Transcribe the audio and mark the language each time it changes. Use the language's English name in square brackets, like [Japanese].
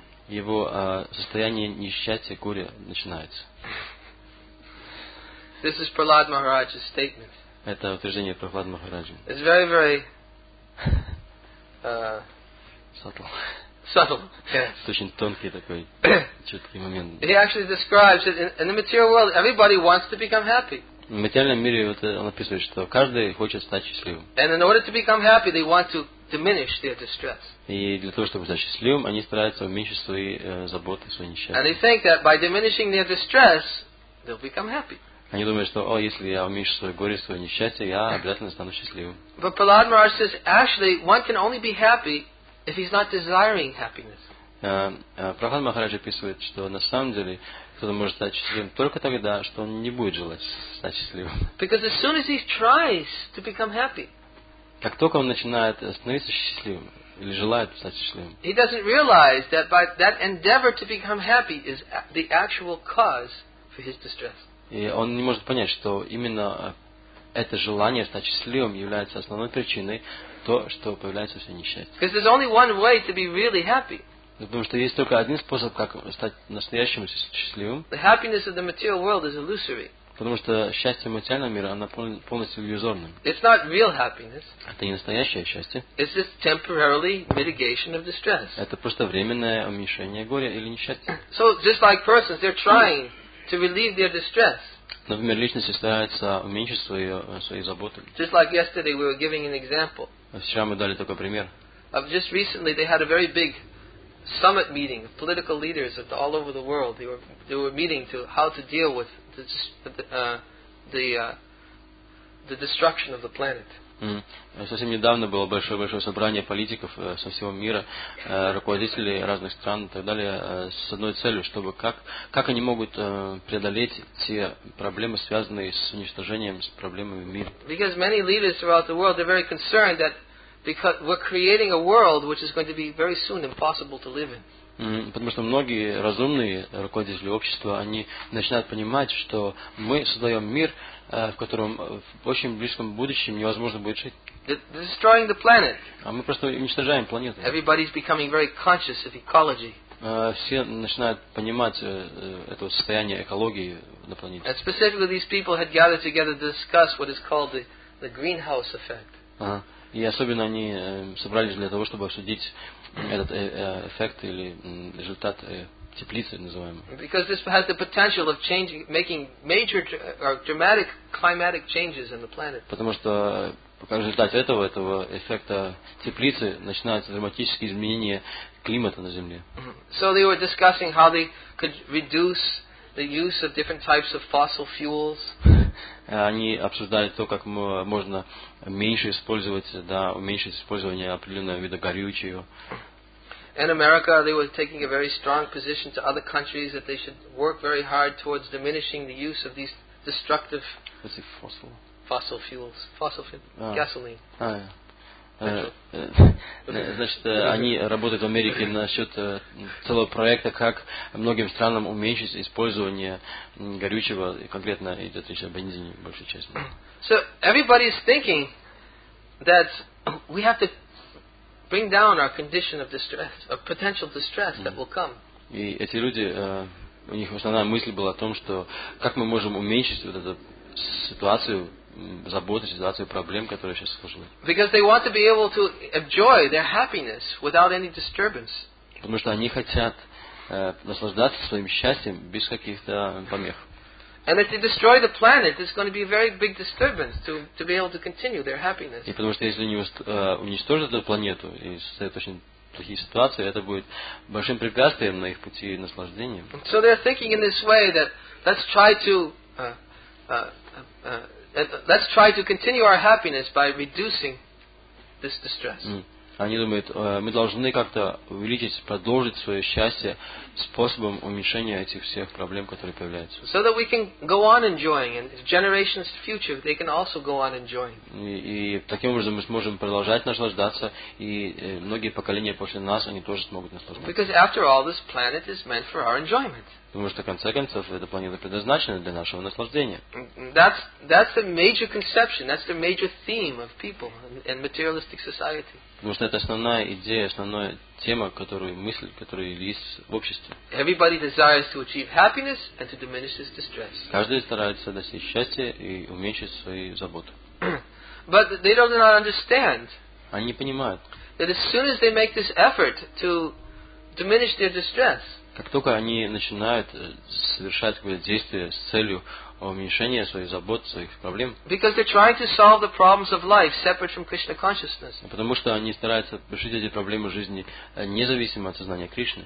[Russian] Его состояние несчастья, горя начинается. [English] This is Prahlad Maharaj's statement. [Russian] Это утверждение Прохлад Махараджи. [English] It's very, very subtle. Yes. [Russian] Это очень тонкий такой четкий момент. [English] He actually describes that in the material world, everybody wants to become happy. [Russian] В материальном мире вот он описывает, что каждый хочет стать счастливым. [English] And in order to become happy, they want to diminish their distress. [Russian] И для того, чтобы стать счастливым, они стараются уменьшить свои заботы, свои несчастья. [English] And they think that by diminishing their distress, they'll become happy. [Russian] Они думают, что, о, если я уменьшу свое горе, свое несчастье, я обязательно стану счастливым. [English] But Prahlad Maharaj says, actually, one can only be happy if he's not desiring happiness. [Russian] Прохлад Махарадж описывает, что на самом деле кто-то может стать счастливым только тогда, что он не будет желать стать счастливым. [English] Because as soon as he tries to become happy, [Russian] как только он начинает становиться счастливым или желает стать счастливым, [English] he doesn't realize that by that endeavor to become happy is the actual cause for his distress. [Russian] И он не может понять, что именно это желание стать счастливым является основной причиной то, что появляется все несчастье. [English] Because there's only one way to be really happy. [Russian] Потому что есть только один способ, как стать настоящим счастливым. [English] The happiness of the material world is illusory. [Russian] Потому что счастье материального мира, оно полностью иллюзорным. [English] It's not real happiness. [Russian] Это не настоящее счастье. [English] It's just temporarily mitigation of distress. [Russian] Это просто временное уменьшение горя или несчастья. [English] So, just like persons, they're trying to relieve their distress. [Russian] Например, личности стараются уменьшить свои заботы. [English] Just like yesterday, we were giving an example. [Russian] Вчера мы дали такой пример. [English] Just recently, they had a very big summit meeting of political leaders all over the world. They were meeting to how to deal with the destruction of the planet. [Russian] Совсем недавно было большое собрание политиков со всего мира, руководителей разных стран и так далее, с одной целью, чтобы как они могут преодолеть те проблемы, связанные с уничтожением, с проблемами мира. [English] Because many leaders throughout the world are very concerned that because we're creating a world which is going to be very soon impossible to live in. [Russian] Потому что многие разумные руководители общества, они начинают понимать, что мы создаем мир, в котором в очень близком будущем невозможно будет жить. [English] Destroying the planet. [Russian] А мы просто уничтожаем планету. [English] Everybody's becoming very conscious of ecology. [Russian] Все начинают понимать это состояние экологии на планете. [English] And specifically these people had gathered together to discuss what is called the greenhouse effect. [Russian] И особенно они собрались для того, чтобы обсудить этот эффект или результат теплицы, называемый. [English] Because this has the potential of changing, making major or dramatic climatic changes in the planet. [Russian] Потому что по результате этого эффекта теплицы начинаются драматические изменения климата на Земле. [English] So they were discussing how they could reduce the use of different types of fossil fuels. [Russian] Они обсуждали то, как можно меньше использовать, да, уменьшить использование определенного вида горючего. [English] In America, they were taking a very strong position to other countries that they should work very hard towards diminishing the use of these destructive fossil fuels, gasoline. [Russian] Значит, они работают в Америке насчет целого проекта, как многим странам уменьшить использование горючего, и конкретно идет речь о бензине, большей части. [English] So everybody is thinking that we have to bring down our condition of distress, of potential distress that will come. [Russian] И эти люди, у них основная мысль была о том, что как мы можем уменьшить вот эту ситуацию, заботы, ситуации, проблем, которые сейчас сложены. [English] Because they want to be able to enjoy their happiness without any disturbance. [Russian] Потому что они хотят наслаждаться своим счастьем без каких-то помех. [English] And if they destroy the planet, it's going to be a very big disturbance to be able to continue their happiness. [Russian] И потому что если они уничтожат эту планету и создают очень плохие ситуации, это будет большим препятствием на их пути наслаждения. [English] So they're thinking in this way that let's try to continue our happiness by reducing this distress. [Russian] Они думают, мы должны как-то увеличить, продолжить свое счастье способом уменьшения этих всех проблем, которые появляются. [English] So that we can go on enjoying, and generations future they can also go on enjoying. [Russian] И таким образом мы сможем продолжать наслаждаться, и многие поколения после нас они тоже смогут наслаждаться. [English] Because after all, this planet is meant for our enjoyment. [Russian] Потому что, в конце концов, эта планета предназначена для нашего наслаждения. [English] That's the major conception, that's the major theme of people in materialistic society. [Russian] Потому что это основная идея, основная тема, которую мысль, которую есть в обществе. [English] Everybody desires to achieve happiness and to diminish his distress. [Russian] Каждый старается достичь счастья и уменьшить свои заботы. [English] But they do not understand. [Russian] Они не понимают. [English] That as soon as they make this effort to diminish their distress. [Russian] Как только они начинают совершать какое-то действие с целью уменьшения своих забот, своих проблем. [English] Because they're trying to solve the problems of life separate from Krishna consciousness. [Russian] Потому что они стараются решить эти проблемы жизни независимо от сознания Кришны.